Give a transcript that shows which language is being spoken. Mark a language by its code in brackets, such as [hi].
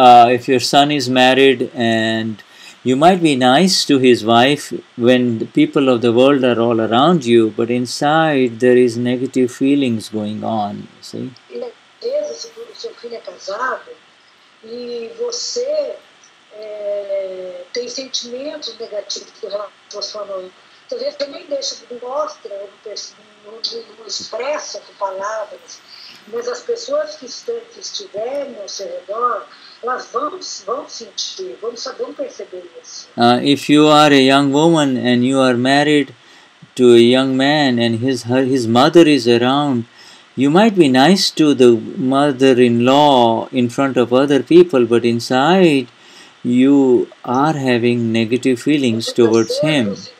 [en] If your son is married and you might be nice to his wife when the people of the world are all around you, but inside there is negative feelings going on, you see. [pt] Seu filho é casado e você tem sentimentos negativos com relação à sua noiva. Talvez também deixa, mostra, não expressa com palavras, mas as pessoas que estiverem ao seu redor, [en] If you are a young woman and you are married to a young man and his mother is around, you might be nice to the mother-in-law in front of other people, but inside you are having negative feelings towards him.